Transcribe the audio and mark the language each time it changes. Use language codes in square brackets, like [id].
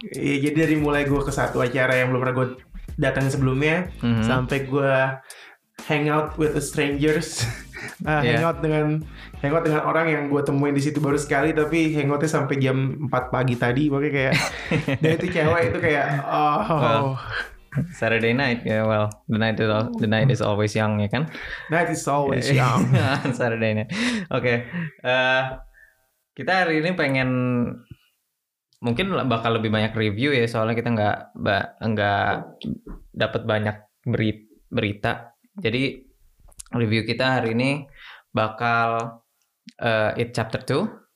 [id] Iya, jadi dari mulai gue ke satu acara yang belum pernah gue datang sebelumnya, mm-hmm. sampai gue [en] hangout with the strangers. [id] Hangout dengan orang yang gue temuin di situ baru sekali, tapi hangoutnya sampai jam 4 pagi tadi, makanya kayak dan itu cewek itu kayak oh well, [en] Saturday night, yeah, well the night is always young ya kan? Night is always young. Saturday night, oke. [id] Kita hari ini pengen mungkin bakal lebih banyak review ya, soalnya kita nggak dapat banyak berita, jadi review kita hari ini bakal It Chapter 2.